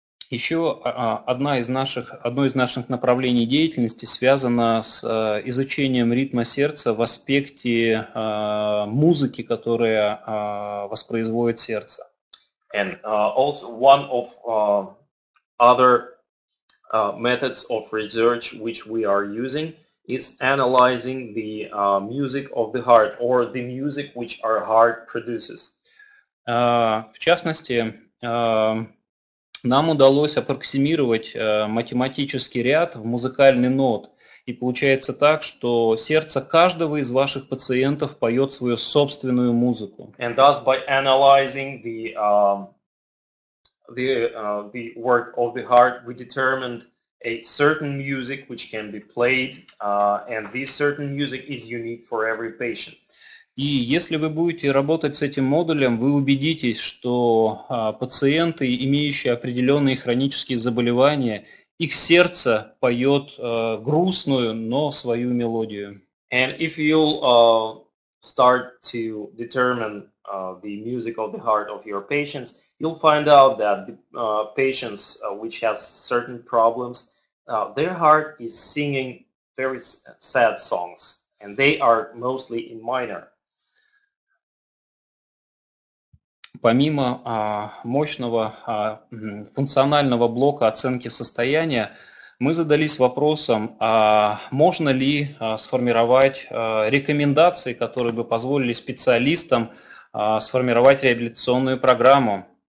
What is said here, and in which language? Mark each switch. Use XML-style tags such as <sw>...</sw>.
<ru>Еще одно из наших направлений деятельности связано с изучением ритма сердца в аспекте музыки, которая воспроизводит сердце.</ru> <en>And also one of other methods of research which we are using is analyzing the music of the heart or the music which our heart produces.</en> <ru>В частности, нам удалось аппроксимировать математический ряд в музыкальный нот. И получается так, что сердце каждого из ваших пациентов поет свою собственную музыку.</ru> <en>And thus by analyzing the work of the heart, we determined a certain music which can be played, and this certain music is unique for every patient.</en> <ru>И если вы будете работать с этим модулем, вы убедитесь, что пациенты, имеющие определенные хронические заболевания, их сердце поет грустную, но свою мелодию.</ru> <en>And if you'll start to determine the music of the heart of your patients, you'll find out that the patients which has certain problems, their heart is singing very sad songs, and they are mostly in minor.</en> <ru>Помимо мощного функционального блока оценки состояния, мы задались вопросом, можно ли сформировать рекомендации, которые бы позволили специалистам сформировать реабилитационную программу.</ru>